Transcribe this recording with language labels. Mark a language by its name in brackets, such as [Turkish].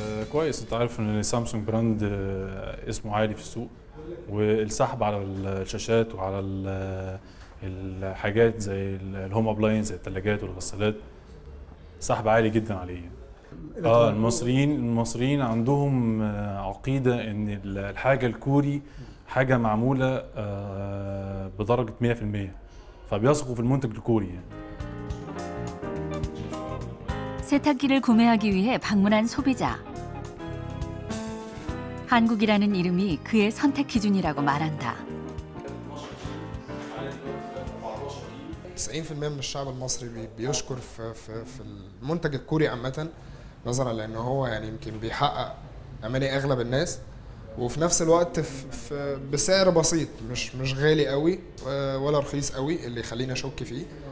[Arabic] كويس تعرف ان سامسونج براند اسمه عالي في السوق والسحب على الشاشات وعلى الحاجات زي [English] الهوم ابلاينز [Arabic] زي الثلاجات والغسالات سحب عالي جدا عليه المصريين عندهم عقيده ان الحاجه الكوري حاجه معموله بدرجه 100% فبيثقوا في المنتج الكوري يعني [Korean] 세탁기를 구매하기 위해 방문한 소비자 한국이라는 이름이 그의 선택 기준이라고 말한다. [Arabic] 90% من الشعب المصري بيشكر في المنتج الكوري عامة نظرا لأنه هو يعني يمكن بيحقق أمالي أغلب الناس وفي نفس الوقت بسعر بسيط مش غالي قوي ولا رخيص قوي اللي يخليني أشك فيه.